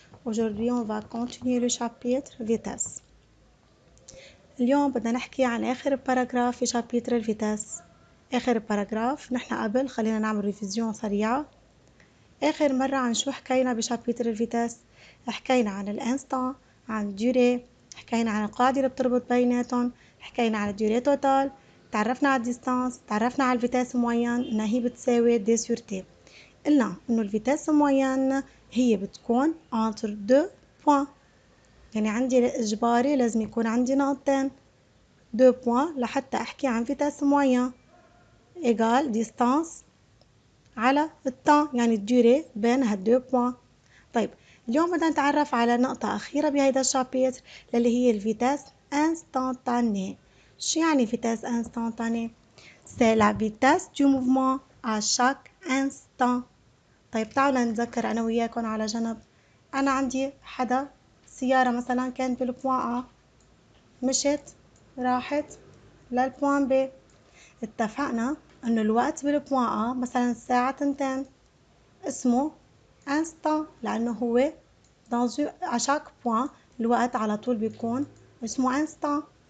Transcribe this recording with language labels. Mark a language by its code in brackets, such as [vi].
[fr] Aujourd'hui, on va continuer le chapitre vitesse. [ar] اليوم بدنا نحكي عن آخر paragraph في chapitre vitesse. آخر paragraph نحن قبل خلينا نعمل ريفيزيون سريعة. آخر مرة عن شو حكينا ب chapitre vitesse؟ حكينا عن الانستان، عن الديوري، حكينا عن القاعدة اللي بتربط بيناتهم، حكينا عن الديوري توتال، تعرفنا على الديستانس، تعرفنا على الفيتاس موين انها هي بتساوي دي سور تي. قلنا انه الفيتاس موين هي بتكون entre deux points، يعني عندي إجباري لازم يكون عندي نقطتين deux points لحتى أحكي عن vitesse moyen égale distance على الطن، يعني الديوري بين هالدو points. طيب اليوم بدنا نتعرف على نقطة أخيرة بهيدا الشابتر اللي هي الفيتاس instantané. [fr] شو يعني vitesse instantané؟ c'est la vitesse du mouvement à chaque instant. [ar] طيب تعالوا نتذكر انا وياكم على جنب، انا عندي حدا سيارة مثلا كانت بالبوان ا مشت راحت للبوان ب، اتفقنا انه الوقت بالبوان ا مثلا الساعة تنتين اسمه انستان لانه هو دانزو اشاك بوان الوقت على طول بيكون اسمه انستان.